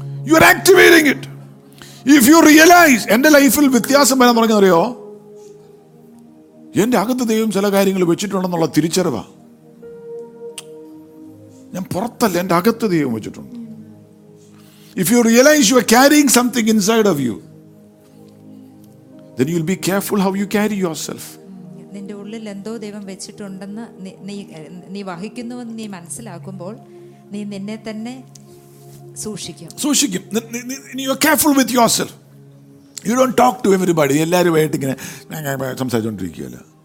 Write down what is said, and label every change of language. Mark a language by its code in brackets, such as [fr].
[en] You are activating it. If you realize, [ml] എന്റെ ലൈഫിൽ വ്യത്യാസം വരാൻ തുടങ്ങിയറിയോ, എന്റെ അകത്ത് ദൈവം ചില കാര്യങ്ങൾ വെച്ചിട്ടുണ്ടെന്നുള്ള തിരിച്ചറിവ്. ഞാൻ പുറത്തല്ല, എന്റെ അകത്ത് ദൈവം വെച്ചിട്ടുണ്ട്. [en] If you realize you are carrying something inside of you, then you'll be careful how you carry yourself. [ml] നിന്റെ ഉള്ളിൽ എന്തോ ദൈവം വെച്ചിട്ടുണ്ടെന്ന് നീ വഹിക്കുന്നുവെന്ന് നീ മനസ്സിലാക്കുമ്പോൾ നീ നിന്നെ തന്നെ സൂക്ഷിക്കും. [en] You are careful with yourself. You don't talk to everybody. [ml] എല്ലാവരുമായിട്ട് ഇങ്ങനെ സംസാരിച്ചുകൊണ്ടിരിക്കുകയല്ലോ.